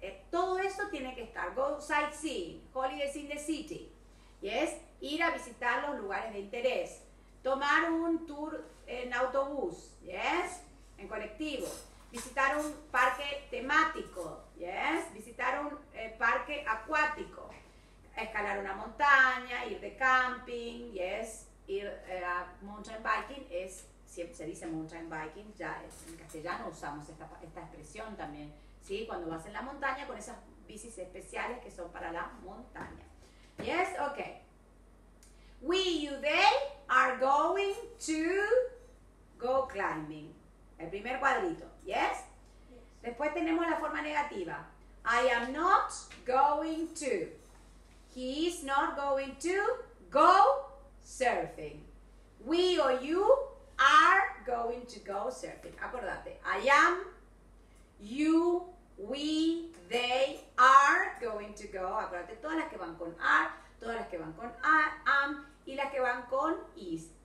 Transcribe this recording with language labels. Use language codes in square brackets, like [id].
[es] todo eso tiene que estar, [en] go sightseeing, holidays in the city, [es] yes, ir a visitar los lugares de interés, tomar un tour en autobús, yes, en colectivo, visitar un parque temático, yes, visitar un parque acuático, escalar una montaña, ir de camping, yes, ir a mountain biking, es, siempre se dice mountain biking, ya es, en castellano usamos esta expresión también, ¿sí? Cuando vas en la montaña con esas bicis especiales que son para la montaña. Yes, okay. [en] We, you, they are going to go climbing. [es] El primer cuadrito, yes? Después tenemos la forma negativa. [en] I am not going to. He is not going to go surfing. We or you are going to go surfing. [es] Acordate. [en] I am, you, we, they are going to go. [es] Acordate todas las que van con are, todas las que van con am y las que van con is.